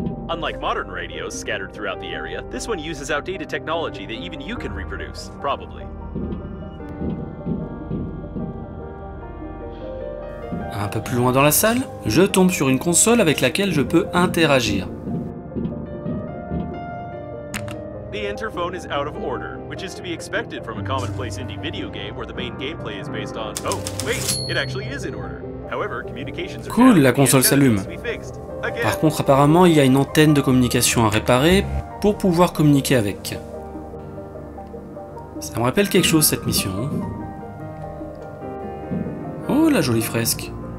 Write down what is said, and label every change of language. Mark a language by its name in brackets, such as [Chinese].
[English] Unlike modern radios scattered throughout the area, this one uses outdated technology that even you can reproduce, probably. [French] Un peu plus loin dans la salle, je tombe sur une console avec laquelle je peux interagir. [English] The interphone is out of order, which is to be expected from a commonplace indie video game where the main gameplay is based on. Oh, wait, it actually is in order. However, communications are. [French] Cool, la console s'allume. Par contre, apparemment, il y a une antenne de communication à réparer pour pouvoir communiquer avec. Ça me rappelle quelque chose, cette mission. Oh, la jolie fresque.